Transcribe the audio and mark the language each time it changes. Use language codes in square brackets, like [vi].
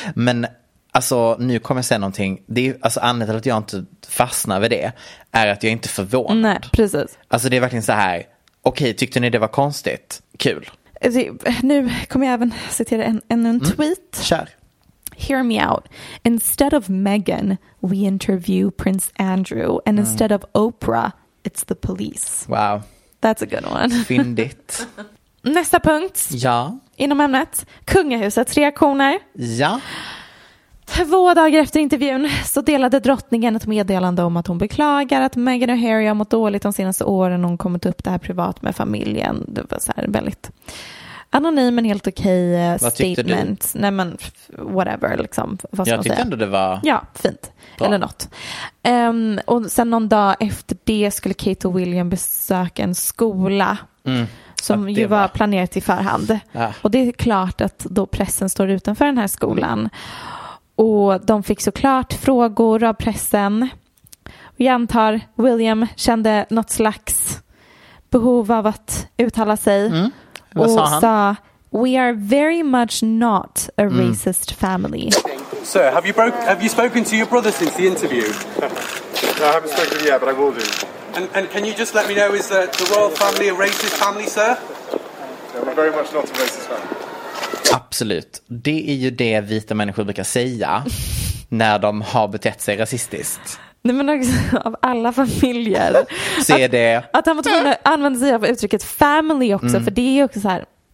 [sv] Men alltså, nu kommer jag säga någonting. Det är alltså anledningen till att jag inte fastnar vid det är att jag inte är förvånad. Nej, precis. Alltså, det är verkligen så här, okej, tyckte ni det var konstigt? Kul. Nu kommer jag även citera en tweet. Kör. [en] "Hear me out. Instead of Meghan, we interview Prince Andrew, and instead of Oprah, it's the police." Wow. That's a good one. [sv] Fyndigt. Nästa punkt. Ja. Inom ämnet. Kungahusets reaktioner. Ja. 2 dagar efter intervjun så delade drottningen ett meddelande om att hon beklagar att Meghan och Harry har mått dåligt de senaste åren. Hon kommit upp det här privat med familjen. Det var så här väldigt anonym men helt okej statement. Du? Nej, men whatever. Liksom, vad jag tyckte ändå det var... Ja, fint. Bra. Eller något. Och sen någon dag efter det skulle Kate och William besöka en skola som ju var planerat i förhand. Ja. Och det är klart att då pressen står utanför den här skolan. Och de fick såklart frågor av pressen. Och jag antar William kände något slags behov av att uttala sig. Mm. Och sa, [en] "We are very much not a racist family." Sir, have you spoken to your brother since the interview? No, I haven't spoken yet, but I will do. And can you just let me know, is the royal family a racist family, sir? I'm very much not a racist family. [sv] Absolut. Det är ju det vita människor brukar säga när de har betett sig rasistiskt. Nej, men också, av alla familjer. Se det. Att han var tvungen att använda sig av uttrycket family också, för det är ju också så här...